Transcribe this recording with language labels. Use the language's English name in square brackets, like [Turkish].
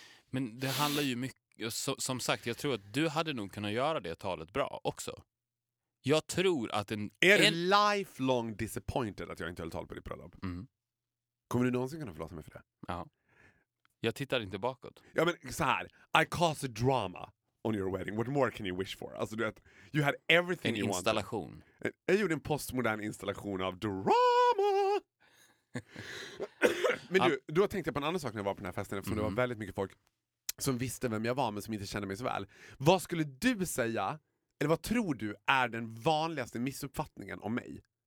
[Swedish] Men det handlar ju mycket, som sagt, jag tror att du hade nog kunnat göra det talet bra också. Jag tror att en... Är du [English] lifelong disappointed [Swedish] att jag inte höll tal på ditt bröllop? Mm. Kommer du någonsin kunna förlåta mig för det? Ja. Jag tittar inte bakåt. Ja, men så här. [English] I caused a drama on your wedding. What more can you wish for? [Swedish] Alltså, du vet, [English] you had everything [Swedish] en [English] you installation. Wanted. [Swedish] En installation. Jag gjorde en postmodern installation av drama! Men du, då tänkte jag på en annan sak när jag var på den här festen, eftersom det var väldigt mycket folk som visste vem jag var men som inte kände mig så väl. Vad skulle du säga, eller vad tror du är den vanligaste missuppfattningen om mig?